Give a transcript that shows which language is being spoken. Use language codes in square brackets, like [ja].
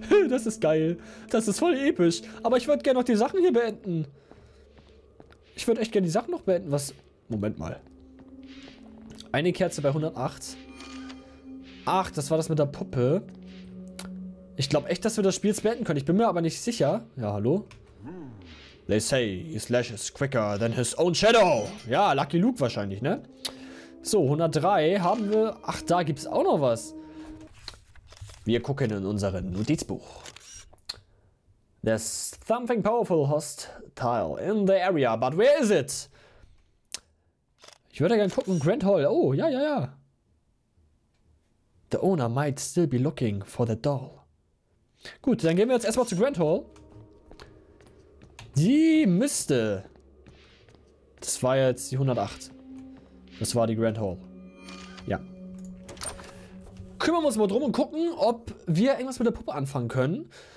[de] Das ist geil. Das ist voll episch. Aber ich würde gerne noch die Sachen hier beenden. Ich würde echt gerne die Sachen noch beenden. Was? Moment mal. Eine Kerze bei 108. Ach, das war das mit der Puppe. Ich glaube echt, dass wir das Spiel jetzt beenden können. Ich bin mir aber nicht sicher. Ja, hallo? [en] They say his lash is quicker than his own shadow. [de] Ja, Lucky Luke wahrscheinlich, ne? So, 103 haben wir. Ach, da gibt es auch noch was. Wir gucken in unserem Notizbuch. [en] There's something powerful hostile in the area, but where is it? [de] Ich würde gerne gucken, Grand Hall. Oh, ja, ja, ja. [en] The owner might still be looking for the doll. [de] Gut, dann gehen wir jetzt erstmal zu Grand Hall. Die müsste. Das war jetzt die 108. Das war die Grand Hall. Ja. Kümmern wir uns mal drum und gucken, ob wir irgendwas mit der Puppe anfangen können.